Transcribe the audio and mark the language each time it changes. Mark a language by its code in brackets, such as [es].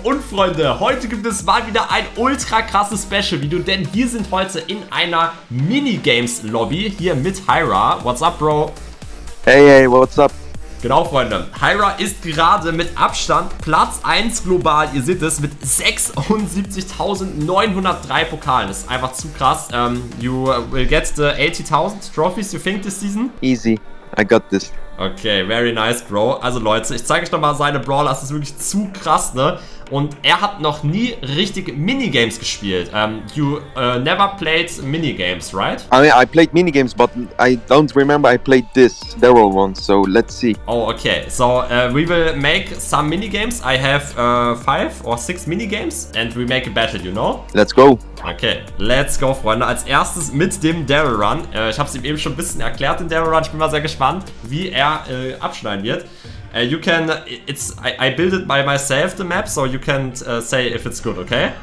[de] Und Freunde, heute gibt es mal wieder ein ultra krasses Special Video, denn wir sind heute in einer Minigames Lobby hier mit Hyra. [en] What's up, Bro? Hey, hey, what's up? [de] Genau, Freunde. Hyra ist gerade mit Abstand Platz 1 global. Ihr seht es mit 76.903 Pokalen. Das ist einfach zu krass. [en] You will get the 80.000 trophies, you think, this season? Easy. I got this. Okay, very nice, Bro. [de] Also Leute, ich zeige euch nochmal seine Brawler. Das ist wirklich zu krass, ne? Und er hat noch nie richtig Minigames gespielt. [en] You never played Minigames, right? I mean, I played Minigames, but I don't remember I played this Daryl one. So let's see. Oh, okay. So we will make some Minigames. I have 5 or 6 Minigames and we make a battle, you know? Let's go. Okay, let's go, [de] Freunde. Als erstes mit dem Daryl Run. Ich habe es ihm eben schon ein bisschen erklärt, den Daryl Run. Ich bin mal sehr gespannt, wie er abschneiden wird. [en] You can, it's, I build it by myself, the map, so you can say if it's good, okay?